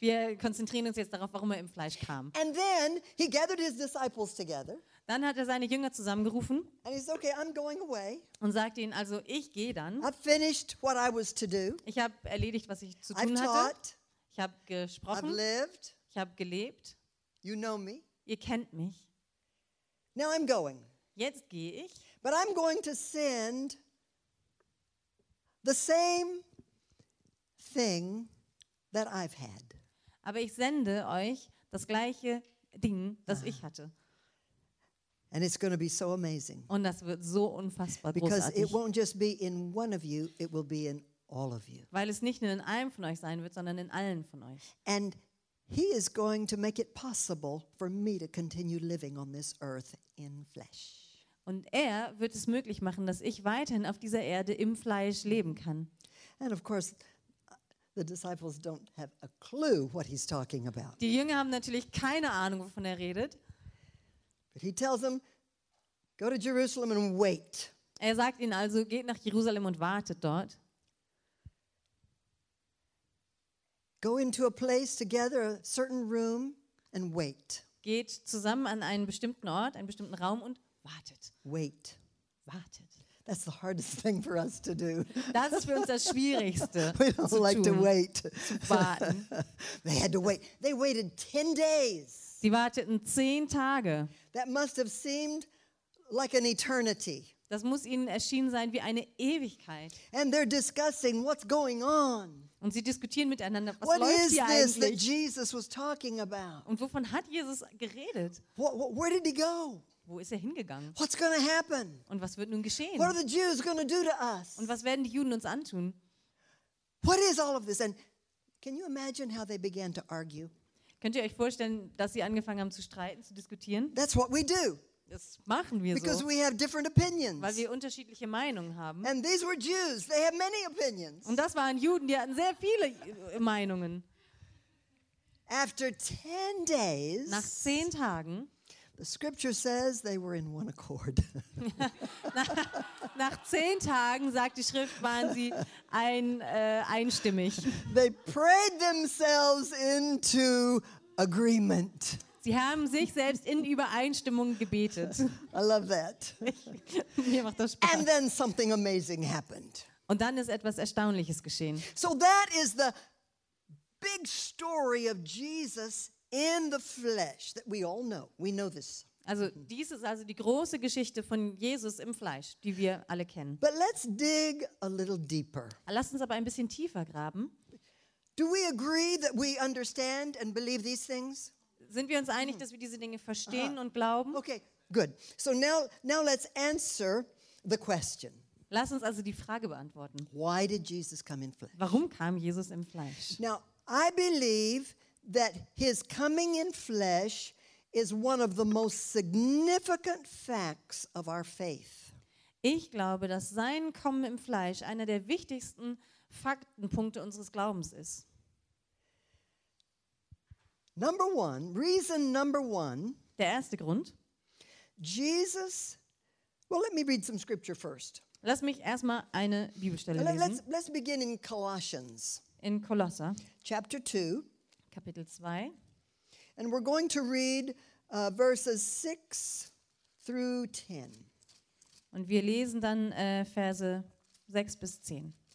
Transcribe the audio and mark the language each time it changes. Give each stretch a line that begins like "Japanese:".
German: Wir konzentrieren uns jetzt darauf, warum er im Fleisch kam.
English: And then he gathered his disciples together.
German: Dann hat er seine Jünger zusammengerufen.
English: And he said, okay, I'm going away.
German: Und sagte ihnen also, ich gehe dann.
English: I've finished what I was to do.
German: Ich habe erledigt, was ich zu tun
English: I've
German: hatte.
English: Taught.
German: Ich habe gesprochen.
English: I've lived.
German: Ich habe gelebt.
English: You know me.
German: Ihr kennt mich.
English: Now I'm going.
German: Jetzt gehe ich.
English: But I'm going to send the same thing that I've had.
German: Aber ich sende euch das gleiche Ding, das ich hatte.
English: And it's going to be so amazing.
German: Und das wird so unfassbar großartig.
English: Because it won't just be in one of you, it will be in all of you.
German: Weil es nicht nur in einem von euch sein wird, sondern in allen von euch.
English: And He is going to make it possible for me to continue living on this earth in flesh.
German: Und er wird es möglich machen, dass ich weiterhin auf dieser Erde im Fleisch leben kann.
English: And of course, the disciples don't have a clue what he's talking about.
German: Die Jünger haben natürlich keine Ahnung, wovon er redet.
English: But he tells them, go to Jerusalem and wait.
German: Er sagt ihnen also, geht nach Jerusalem und wartet dort.
English: Go into a place together, a certain room, and wait.
German: Geht zusammen an einen bestimmten Ort, einen bestimmten Raum und wartet.
English: Wait.
German: Wartet.
English: That's the hardest thing for us to do.
German: Das ist für uns das Schwierigste.
English: We don't like to wait.
German: Zu warten.
English: They had to wait. They waited 10 days.
German: Sie warteten 10 Tage.
English: That must have seemed like an eternity.
German: Das muss ihnen erschienen sein wie eine Ewigkeit.
English: And they're discussing what's going on.
German: Und sie diskutieren miteinander, was
English: What
German: läuft hier
English: is this
German: eigentlich?
English: That Jesus was talking about?
German: Und wovon hat Jesus geredet?
English: Where did he go?
German: Wo ist er hingegangen?
English: What's gonna happen?
German: Und was wird nun geschehen?
English: What are the Jews gonna do to us?
German: Und was werden die Juden uns antun?
English: What is all of this? And can you imagine how they began to argue?
German: Könnt ihr euch vorstellen, dass sie angefangen haben zu streiten, zu diskutieren?
English: That's what we do.
German: Das machen wir
English: Because
German: so,
English: we have different opinions.
German: Weil wir unterschiedliche Meinungen haben.
English: And these were Jews. They have many opinions.
German: Und das waren Juden, die hatten sehr viele Meinungen.
English: After 10 days,
German: nach 10 Tagen,
English: the scripture says they were in one accord.
German: nach 10 Tagen, sagt die Schrift, waren sie einstimmig.
English: They prayed themselves into agreement.
German: Sie haben sich selbst in Übereinstimmung gebetet.
English: I love that.
German: Mir macht das Spaß.
English: And then something amazing happened.
German: Und dann ist etwas Erstaunliches geschehen.
English: So that is the big story of Jesus in the flesh that we all know. We know this.
German: Also, dies ist also die große Geschichte von Jesus im Fleisch, die wir alle kennen.
English: But let's dig a little deeper.
German: Lass uns aber ein bisschen tiefer graben.
English: Do we agree that we understand and believe these things?
German: Sind wir uns einig, dass wir diese Dinge verstehen und glauben?
English: Okay, good. So now let's answer the question.
German: Lass uns also die Frage beantworten.
English: Why did Jesus come in flesh?
German: Warum kam Jesus im Fleisch?
English: Now, I believe that his coming in flesh is one of the most significant facts of our faith.
German: Ich glaube, dass sein Kommen im Fleisch einer der wichtigsten Faktenpunkte unseres Glaubens ist.
English: Number one, reason number one.
German: Der erste Grund.
English: Jesus, well, let me read some scripture first.
German: Lass mich erstmal eine Bibelstelle lesen.
English: Let's begin in Colossians.
German: In Kolosser.
English: Chapter 2.
German: Kapitel 2.
English: And we're going to read verses 6 through 10.
German: Und wir lesen dann Verse 6 bis 10.